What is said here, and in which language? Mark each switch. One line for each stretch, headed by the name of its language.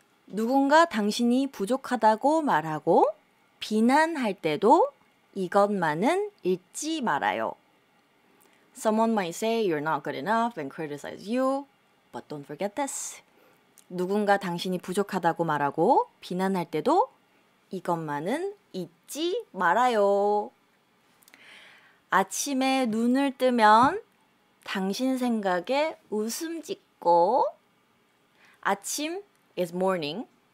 Korean: 누군가 당신이 부족하다고 말하고 비난할 때도 이것만은 잊지 말아요.
English: Someone might say you're not good enough and criticize you, but don't forget this.
Korean: 누군가 당신이 부족하다고 말하고 비난할 때도 이것만은 잊지 말아요. 아침에 눈을 뜨면 당신 생각에 웃음 짓고 아침
English: is morning.